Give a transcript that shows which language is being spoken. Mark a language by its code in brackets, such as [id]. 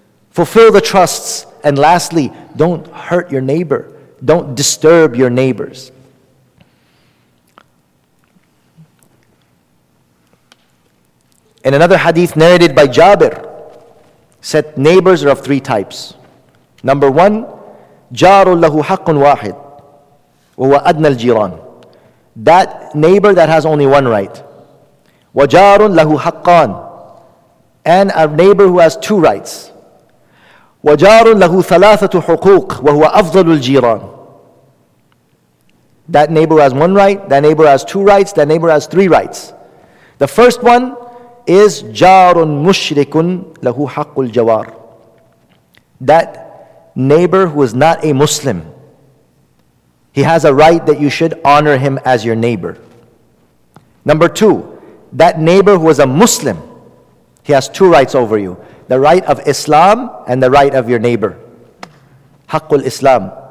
[en] Fulfill the trusts. And lastly, don't hurt your neighbor. Don't disturb your neighbors. In another hadith narrated by Jabir, said neighbors are of three types. Number one, [ar] جَارٌ لَهُ حَقٌ وَاحِدٌ وَهُوَ أَدْنَى الْجِيرَانِ. [en] That neighbor that has only one right. [ar] وَجَارٌ لَهُ حَقَّانِ. [en] And a neighbor who has two rights. [ar] وَجَارٌ لَهُ ثَلَاثَةُ حُقُوقٍ وَهُوَ أَفْضَلُ الْجِيرَانِ. [en] That neighbor has one right, that neighbor has two rights, that neighbor has three rights. The first one is [ar] جَارٌ مُشْرِكٌ لَهُ حَقُّ الْجَوَارِ. [en] That neighbor who is not a Muslim, he has a right that you should honor him as your neighbor. Number two, that neighbor who is a Muslim, he has two rights over you. The right of Islam and the right of your neighbor. Haqqul Islam.